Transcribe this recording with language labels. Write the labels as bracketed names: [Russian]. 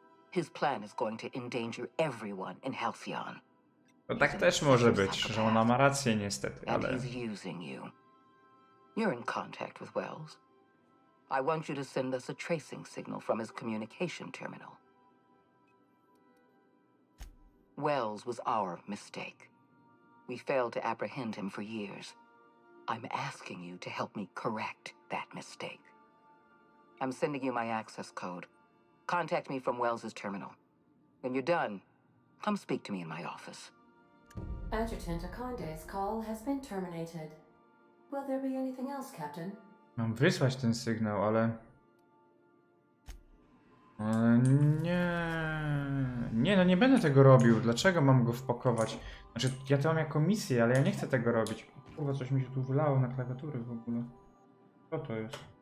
[English] His plan is going to endanger everyone in Halcyon. [Polish] No tak też może być, że ona ma rację niestety, ale... [English] And he's using you. You're in contact with Wells. I want you to send us a tracing signal from his communication terminal. Wells was our mistake. We failed to apprehend him for years. I'm asking you to help me correct that mistake. I'm sending you my access code. Contact me from Wells's terminal. When you're done, come speak to me in my office. Adjutant Akande's call has been terminated. Will there be anything else, Captain? [Polish] Mam wysłać ten sygnał, ale... Nie. Nie, no nie będę tego robił. Dlaczego mam go wpakować? Znaczy, ja to mam jako misję, ale ja nie chcę tego robić. Kurwa, coś mi się tu wylało na klawiatury w ogóle. Co to jest?